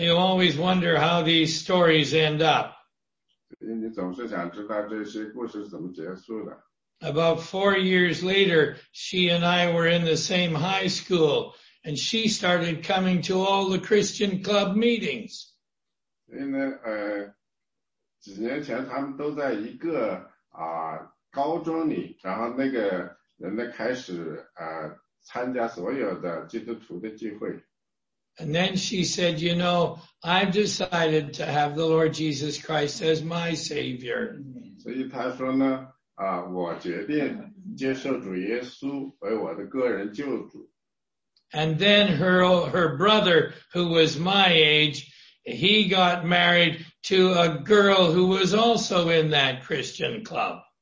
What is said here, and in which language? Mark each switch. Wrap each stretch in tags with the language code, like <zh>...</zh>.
<en>you always wonder how these stories end up.</en> <zh>所以你总是想知道这些故事怎么结束的。</zh> <en>About 4 years later, she and I were in the same high school. And she started coming to all the Christian club meetings.</en> <zh>因为几年前他们都在一个高中里，然后那个人呢开始参加所有的基督徒的聚会。</zh> <en>And then she said, you know, I've decided to have the Lord Jesus Christ as my Savior.</en> <zh>所以她说呢，我决定接受主耶稣为我的个人救主。</zh> <en>And then her brother, who was my age, he got married to a girl who was also in that Christian club.</en>